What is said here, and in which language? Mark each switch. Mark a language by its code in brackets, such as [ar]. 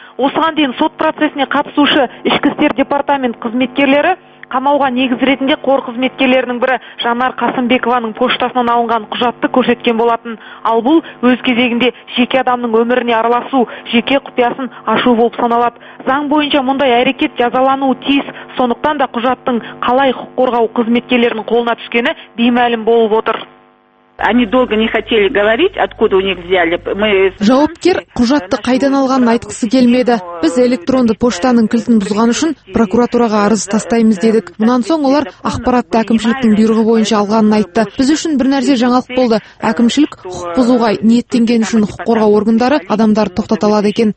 [kk] Осыған дейін сот процесіне қатысушы ішкі істер департамент қызметкерлері қамауға негіз ретінде қор қызметкерлерінің бірі Жанар Қасымбекованың поштасынан алынған құжатты көрсеткен болатын. Ал бұл өз кезегінде жеке адамның өміріне араласу, жеке құпиясын ашу болып саналады. Заң бойынша мұндай әрекет жазалануы тиіс, сондықтан да құжаттың қалай құқық қорғау қызметкерлерінің қолына түскені беймәлім болып отыр. [ru] Они долго не хотели говорить, откуда у них взяли. Мы [kk] жауапкер құжатты қайдан алғанын айтқысы келмеді. Біз электронды поштаның кілтін бұзған үшін прокуратураға арыз тастаймыз дедік. Мұнан соң олар ақпаратты әкімшіліктің бұйрығы бойынша алғанын айтты. Біз үшін бір нәрсе жаңалық болды. Әкімшілік құқық бұзуға ниеттенген үшін құқық қорғау органдары адамдарды тоқтата алады екен.